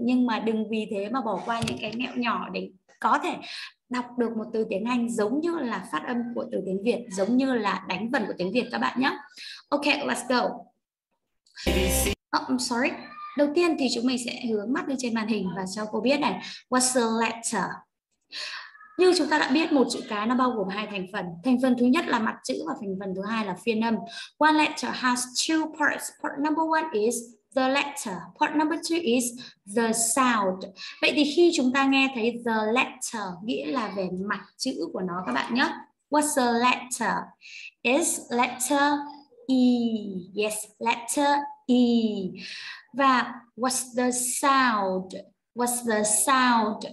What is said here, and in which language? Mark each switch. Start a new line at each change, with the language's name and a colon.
Vietnamese: Nhưng mà đừng vì thế mà bỏ qua những cái mẹo nhỏ để có thể đọc được một từ tiếng Anh giống như là phát âm của từ tiếng Việt, giống như là đánh vần của tiếng Việt các bạn nhé.
English: Ok, let's go. Oh, I'm sorry.
Vietnamese: Đầu tiên thì chúng mình sẽ hướng mắt lên trên màn hình và cho cô biết này.
English: What's the letter?
Vietnamese: Như chúng ta đã biết, một chữ cái nó bao gồm hai thành phần. Thành phần thứ nhất là mặt chữ và thành phần thứ hai là phiên âm.
English: One letter has two parts. Part number one is the letter. Part number two is the sound.
Vietnamese: Vậy thì khi chúng ta nghe thấy
English: the letter
Vietnamese: nghĩa là về mặt chữ của nó các bạn nhé.
English: What's the letter? Is letter E. Yes, letter E. Và what's the sound? What's the sound?